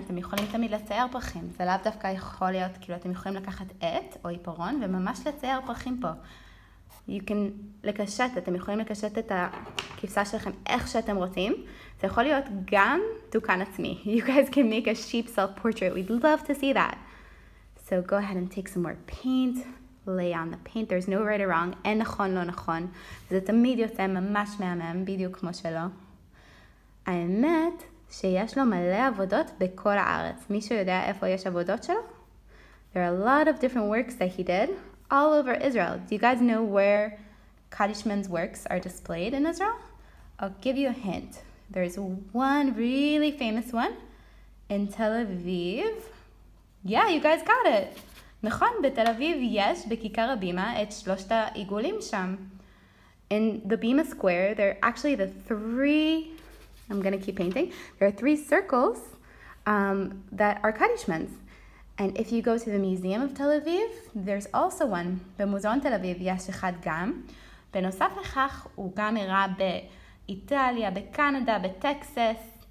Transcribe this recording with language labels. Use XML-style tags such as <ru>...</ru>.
<he>אתם יכולים תמיד לצייר פרחים. זה לאו דווקא יכול להיות, כאילו אתם יכולים לקחת עט או עיפרון וממש לצייר פרחים פה.</he> <en>You can</en> <he>לקשט, אתם יכולים לקשט את הכבשה שלכם איך שאתם רוצים. זה יכול להיות גם דוכן עצמי.</he> <en>You guys can make a sheep self-portrait. We'd love to see that. So go ahead and take some more paint. Lay on the paint. There's no right or wrong.</en> <he>אין נכון, לא נכון. זה תמיד יוצא ממש מהמם, בדיוק כמו שלו. האמת שיש לו מלא עבודות בכל הארץ. מישהו יודע איפה יש עבודות שלו?</he> <en>There are a lot of different works that he did all over Israel. Do you guys know where Kadishman's works are displayed in Israel? I'll give you a hint. There's one really famous one in Tel Aviv. Yeah, you guys got it.</en> <he>נכון, בתל אביב יש בכיכר הבימה את שלושת העיגולים שם.</he> <en>In the Bima Square, there are actually the three, I'm going to keep painting, there are three circles that are Kadishmans. And if you go to the Museum of Tel Aviv, there's also one.</en> <he>במוזיאון תל אביב יש אחד גם. בנוסף לכך, הוא גם הראה באיטליה, בקנדה, בטקסס.</he>